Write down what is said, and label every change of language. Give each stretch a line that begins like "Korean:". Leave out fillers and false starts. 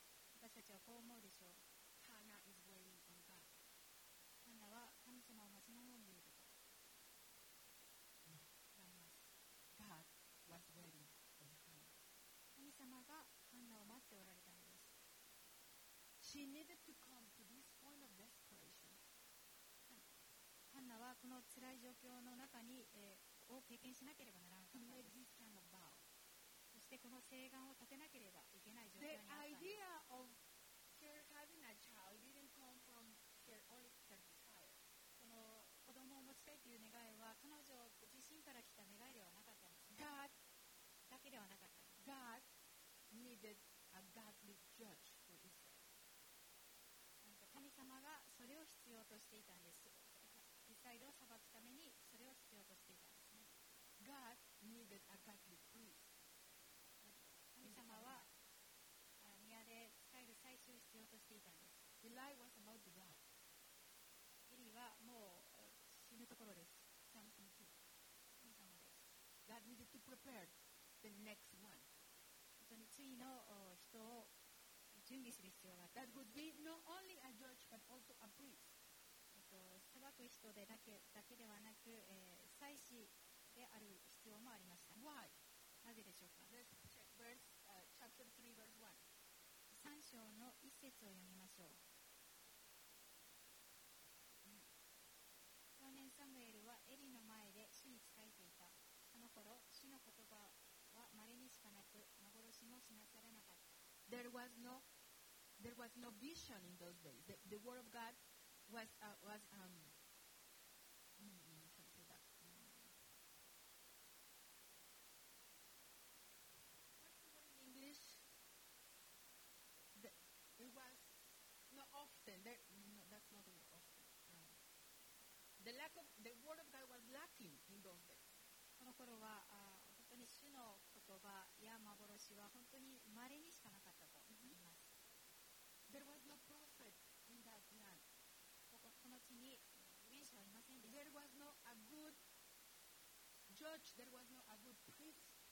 Japanese: 私たちはこう思うでしょう。
English: Hannah is waiting on God.
Japanese: ハンナは神様を待ち望んでいること。
English: No. God was waiting on Hannah.
Japanese: 神様がハンナを待っておられたのです。
English: She needed to come to this point of desperation.
Japanese: ハンナはこの辛い状況の中に、を経験しなければならなかったです。
English: This kind of vow.
Japanese: そしてこの誓願を立てなければいけない状況にあったんです。
English: The idea of her having a child didn't come from her own desire.
Japanese: この子供を持ちたいという願いは彼女自身から来た願いではなかったんですね。
English: God
Japanese: だけではなかったんです。
English: God needed a godly judge for Israel.
Japanese: なんか神様がそれを必要としていたんです。イスラエルを裁くためにそれを必要としていたんですね。
English: God needed a godly priest.
Japanese: 神様は宮で使える祭司を必要としていたんです。
English: Eli was about to die.
Japanese: エリーはもう死ぬところです。
English: Samson too.
Japanese: 神様です。
English: God needed to prepare the next one.
Japanese: 本当に次の人を準備する必要があった。
English: That would be not only a judge but also a priest.
Japanese: 裁く人でだけではなく、祭司である必要もありました。
English: Why?
Japanese: なぜでしょうか。
English: Let's check verse, chapter 3, verse 1.
Japanese: 3章の1節を読みましょう。少年サムエルはエリの前で主に仕えていた。その頃、主の言葉はまれにしかなく、幻もしなされなかった。
English: There was no vision in those days. The word of GodWhat's the word in English? It was not often. That's not the word often. The word of God was lacking in those days.
Japanese: この頃は本当に主の言葉や幻は本当に稀にしかなかったと言います。
English: There was no prophet in that land.
Japanese: この地に預言者はいませんでした。
English: There was no a good judge. There was no a good priest.